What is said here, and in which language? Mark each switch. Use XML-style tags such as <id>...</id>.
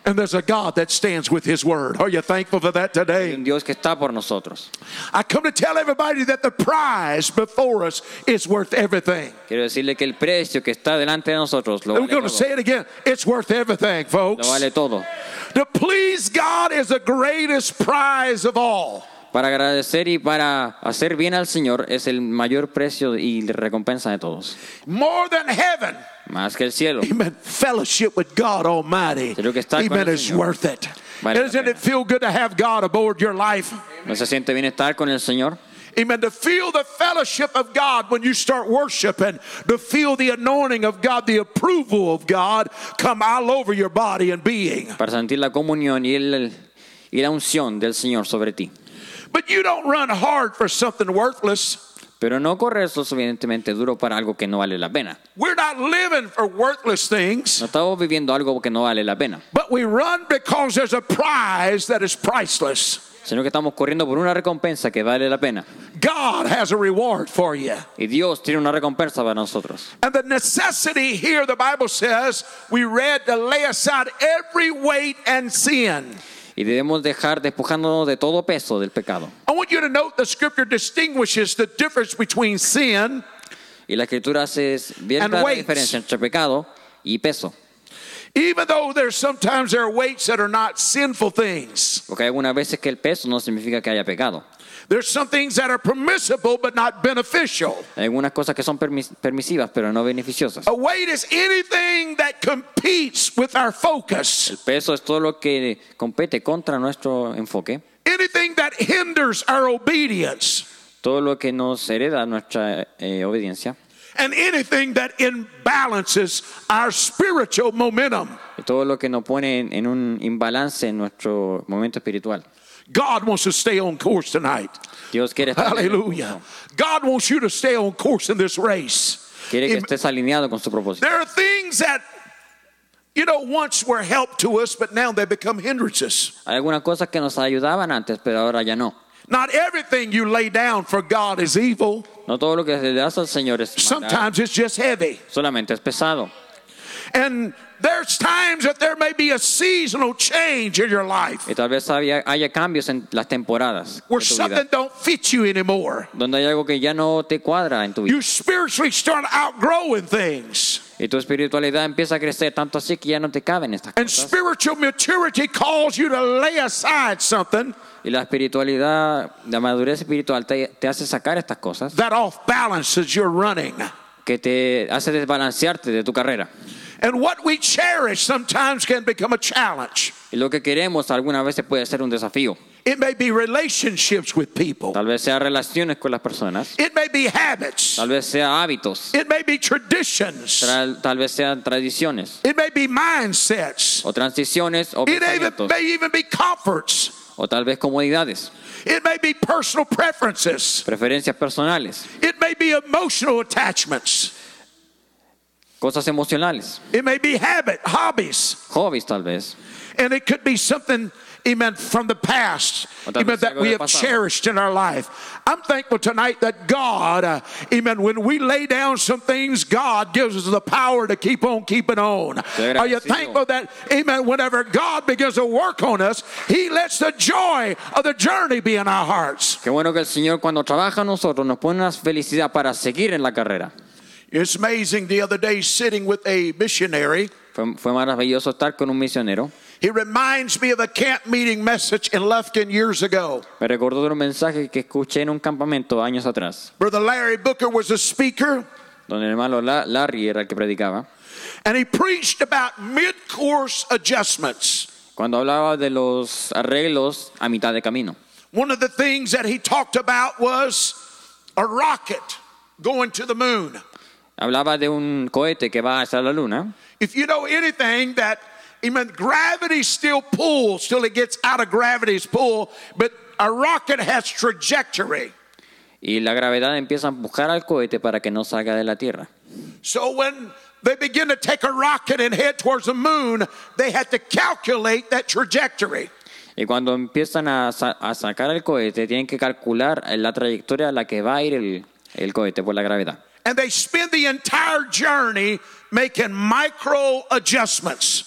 <en>And there's a God that stands with His word. Are you thankful for that today?</en> <es>Hay un Dios que está por nosotros.</es> <en>I come to tell everybody that the prize before us is worth everything.</en> <es>Quiero decirle que el precio que está delante de nosotros lo vale todo.</es> <en>I'm going to say it again. It's worth everything, folks.</en> <es>Lo vale todo.</es> <en>To please God is the greatest prize of all.</en> <es>Para agradecer y para hacer bien al Señor es el mayor precio y recompensa de todos.</es> <en>More than heaven.</en> <es>Más que el cielo.</es> <en>Amen. Fellowship with God Almighty.</en> <es>Creo que estar</es> <en>Amen.</en> <es>Con el</es> <en>is</en> <es>Señor.</es> <en>Worth it.</en> <es>Vale</es> <en>Doesn't it feel good to have God aboard your life?</en> <es>¿No se siente bien estar con el Señor?</es> <en>Amen. To feel the fellowship of God when you start worshiping. To feel the anointing of God, the approval of God come all over your body and being.</en> <es>Para sentir la comunión y la unción del Señor sobre ti.</es> <en>But you don't run hard for something worthless.</en> <es>Pero no corres lo suficientemente duro para algo que no vale la pena.</es> <en>We're not living for worthless things.</en> <es>No estamos viviendo algo que no vale la pena.</es> <en>But we run because there's a prize that is priceless.</en> <es>Sino que estamos corriendo por una recompensa que vale la pena.</es> <en>God has a reward for you.</en> <es>Y Dios tiene una recompensa para nosotros.</es> <en>And the necessity here, the Bible says, we read to lay aside every weight and sin.</en> <es>Y debemos dejar despojándonos de todo peso del pecado.</es> <en>I want you to note the scripture distinguishes the difference between sin.</en> <es>Y la escritura hace bien clara la diferencia entre pecado y peso.</es> <en>Even though there's sometimes there are weights that are not sinful things.</en> <es>Porque algunas veces que el peso no significa que haya pecado.</es> <en>There's some things that are permissible but not beneficial.</en> <es>Algunas cosas que son permisivas pero no beneficiosas.</es> <en>A weight is anything that competes with our focus.</en> <es>El peso es todo lo que compete contra nuestro enfoque.</es> <en>Anything that hinders our obedience.</en> <es>Todo lo que nos hereda nuestra obediencia.</es> <en>And anything that imbalances our spiritual momentum.</en> <es>Todo lo que nos pone en un imbalance en nuestro momento espiritual.</es> <en>God wants to stay on course tonight.</en> <es>Dios quiere estar.</es> <en>Hallelujah. God wants you to stay on course in this race.</en> <es>Quiere que estés alineado con su propósito.</es> <en>There are things that, you know, once were help to us, but now they become hindrances.</en> <es>Hay algunas cosas que nos ayudaban antes, pero ahora ya no.</es> <en>Not everything you lay down for God is evil.</en> <es>No todo lo que le das al Señor es malo.</es> <en>Sometimes it's just heavy.</en> <es>Solamente es pesado.</es> <en>And there's times that there may be a seasonal change in your life.</en> <es>Y tal vez haya cambios en las temporadas.</es> <en>Where something don't fit you anymore.</en> <es>Donde hay algo que ya no te cuadra en tu vida.</es> <en>You spiritually start outgrowing things.</en> <es>Y tu espiritualidad empieza a crecer tanto así que ya no te caben estas cosas.</es> <en>And spiritual maturity calls you to lay aside something.</en> <es>Y la espiritualidad, la madurez espiritual te hace sacar estas cosas.</es> <en>That off balances your running.</en> <es>Que te hace desbalancearte de tu carrera.</es> <en>And what we cherish sometimes can become a challenge.</en> <es>Y lo que queremos algunas veces puede ser un desafío.</es> <en>It may be relationships with people.</en> <es>Tal vez sea relaciones con las personas.</es> <en>It may be habits.</en> <es>Tal vez sea hábitos.</es> <en>It may be traditions.</en> <es>Tal vez sean tradiciones.</es> <en>It may be mindsets.</en> <es>O transiciones o pensamientos.</es> <en>It may even be comforts.</en> <es>O tal vez comodidades.</es> <en>It may be personal preferences.</en> <es>Preferencias personales.</es> <en>It may be emotional attachments.</en> <es>Cosas emocionales.</es> <en>It may be habit, hobbies.</en> <es>Hobbies, tal vez.</es> <en>And it could be something, amen, from the past, amen, that we have cherished in our life. I'm thankful tonight that God, amen, when we lay down some things, God gives us the power to keep on keeping on. Are you thankful that, amen, whenever God begins to work on us, he lets the joy of the journey be in our hearts.</en> <es>Qué bueno que el Señor cuando trabaja en nosotros nos pone una felicidad para seguir en la carrera.</es> <en>It's amazing the other day sitting with a missionary.</en> <es>Fue maravilloso estar con un misionero.</es> <en>He reminds me of a camp meeting message in Lufkin years ago.</en> <es>Me recordó de un mensaje que escuché en un campamento años atrás.</es> <en>Brother Larry Booker was a speaker.</en> <es>Don el hermano Larry era el que predicaba.</es> <en>And he preached about mid-course adjustments.</en> <es>Cuando hablaba de los arreglos a mitad de camino.</es> <en>One of the things that he talked about was a rocket going to the moon.</en> <es>Hablaba de un cohete que va hacia la luna.</es> <en>If you know anything that, amen, gravity still pulls till it gets out of gravity's pull, but a rocket has trajectory.</en> <es>Y la gravedad empieza a empujar al cohete para que no salga de la Tierra.</es> <en>So when they begin to take a rocket and head towards the moon, they had to calculate that trajectory.</en> <es>Y cuando empiezan a sacar el cohete, tienen que calcular la trayectoria a la que va a ir el cohete por la gravedad.</es> <en>And they spend the entire journey making micro adjustments.</en>